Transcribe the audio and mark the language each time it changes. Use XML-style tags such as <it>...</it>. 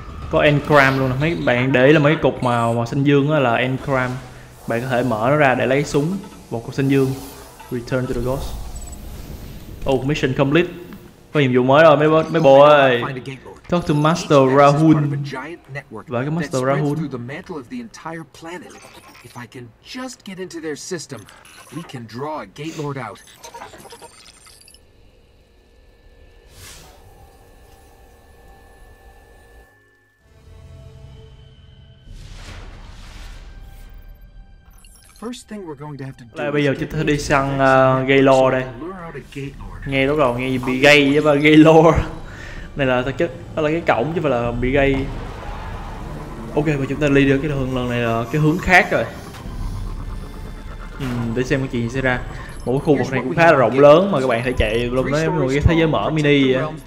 <vi>có engram luôn, mấy bạn để là mấy cục màu xanh dương là engram, bạn có thể mở nó ra để lấy súng một cục xanh dương.</vi> <en>Return to the ghost. Oh, mission complete.</en> <vi>Có nhiệm vụ mới rồi mấy bộ ơi.</vi> <en>Talk to Master Rahul.</en> <vi>Và cái</vi> <en>Master Rahul. The mantle of the entire planet. If I can just get into their system, we can draw a gate lord out. First thing we're going to have to do.</en> <vi>Bây giờ chúng ta đi săn Gaylord đây. Nghe đó rồi, nghe gì bị gay với ba Gaylord. Này là thực chất đó là cái cổng chứ phải là bị gay. Ok, và chúng ta đi được cái đường lần này là cái hướng khác rồi. Để xem cái chuyện gì xảy ra. Một cái khu vực này cũng khá là rộng lớn mà các bạn thể chạy luôn đấy, một cái thế giới mở mini vậy.</vi>